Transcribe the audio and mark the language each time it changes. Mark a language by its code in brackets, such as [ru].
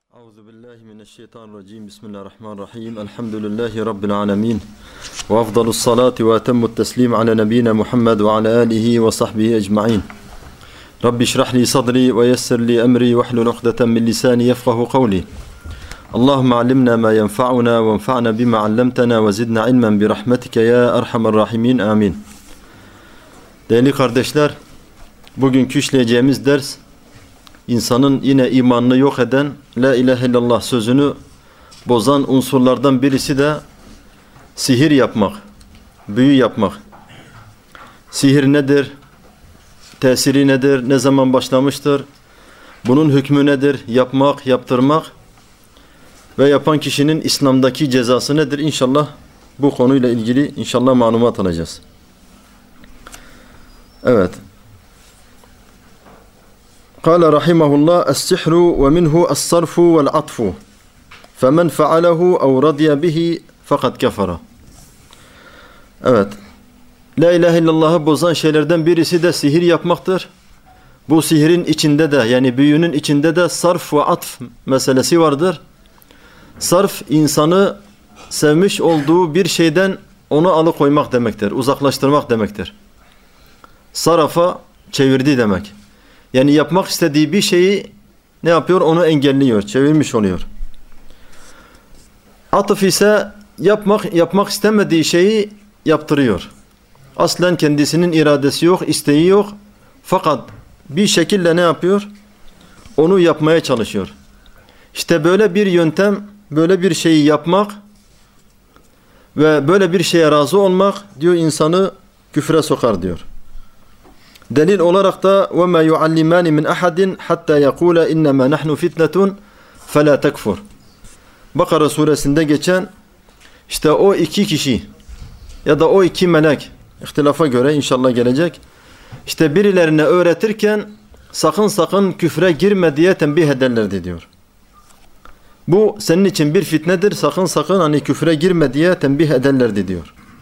[ar] أعوذ بالله من الشيطان الرجيم. بسم الله الرحمن الرحيم. الحمد لله رب العالمين، وأفضل الصلاة وأتم التسليم على نبينا محمد وعلى آله وصحبه أجمعين. رب اشرح لي صدري ويسر لي أمري واحلل عقدة من لساني يفقه قولي. اللهم علمنا ما ينفعنا وانفعنا بما علمتنا وزدنا علما برحمتك يا أرحم الراحمين، آمين. [tr] Değerli kardeşler, bugünkü işleyeceğimiz ders insanın yine imanını yok eden La İlahe İllallah sözünü bozan unsurlardan birisi de sihir yapmak, büyü yapmak. Sihir nedir? Tesiri nedir? Ne zaman başlamıştır? Bunun hükmü nedir? Yapmak, yaptırmak ve yapan kişinin İslam'daki cezası nedir? İnşallah bu konuyla ilgili inşallah malumat alacağız. Evet. [ar] قال رحمه الله السحر ومنه الصرف والعطف فمن فعله أو رضي به فقد كفر. [tr] Evet. La ilahe illallah'ı bozan şeylerden birisi de sihir yapmaktır. Bu sihrin içinde de, yani büyünün içinde de sarf ve atf meselesi vardır. Sarf, insanı sevmiş olduğu bir şeyden onu alıkoymak demektir, uzaklaştırmak demektir. Sarafa çevirdi demek. Yani yapmak istediği bir şeyi ne yapıyor? Onu engelliyor, çevirmiş oluyor. Atıf ise yapmak istemediği şeyi yaptırıyor. Aslen kendisinin iradesi yok, isteği yok. Fakat bir şekilde ne yapıyor? Onu yapmaya çalışıyor. İşte böyle bir yöntem, böyle bir şeyi yapmak ve böyle bir şeye razı olmak diyor insanı küfre sokar diyor. Delil olarak da [ar] وَمَا يُعَلِّمَانِ مِنْ أَحَدٍ حَتَّى يَقُولَ اِنَّمَا نَحْنُ فِتْنَةٌ فَلَا تَكْفُرْ. [tr] Bakara suresinde geçen, işte o iki kişi ya da o iki melek, ihtilafa göre inşallah gelecek, işte birilerine öğretirken sakın küfre girme diye tembih ederlerdi diyor. Bu senin için bir fitnedir, sakın hani küfre girme diye tembih ederlerdi diyor.